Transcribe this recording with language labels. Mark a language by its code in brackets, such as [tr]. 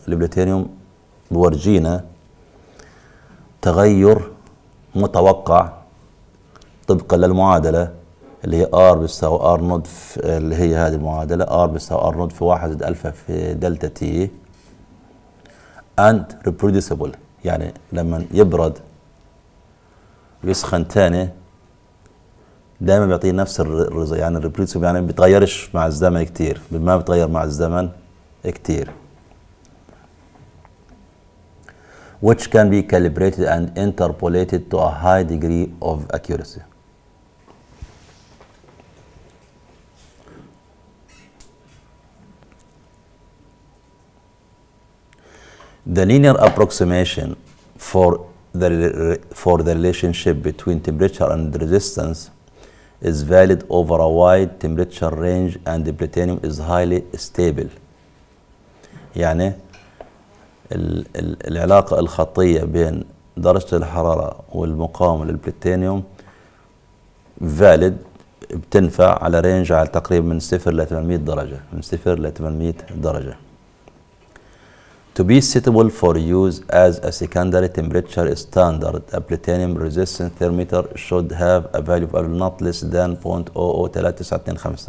[ar] البلاتينيوم بورجينا تغير متوقع طبقا للمعادلة اللي هي R بيساوي R نود، اللي هي هذه المعادلة R بيساوي R نود في 1 زد ألفا في دلتا T، [en] and reproducible [ar] يعني لما يبرد ويسخن تاني دائما بيعطيه نفس الرز، يعني الريبريسيبل يعني بتغيرش مع الزمن كتير، بما بتغير مع الزمن كتير. [en] which can be calibrated and interpolated to a high degree of accuracy. the linear approximation for the relationship between temperature and resistance is valid over a wide temperature range and the platinum is highly stable. [ar] يعني العلاقة الخطية بين درجة الحرارة والمقاومة للبلاتينيوم valid بتنفع على رينج على تقريبا من 0 إلى 800 درجة، من 0 إلى 800 درجة. [en] to be suitable for use as a secondary temperature standard a platinum resistant thermometer should have a value of not less than 0.003925.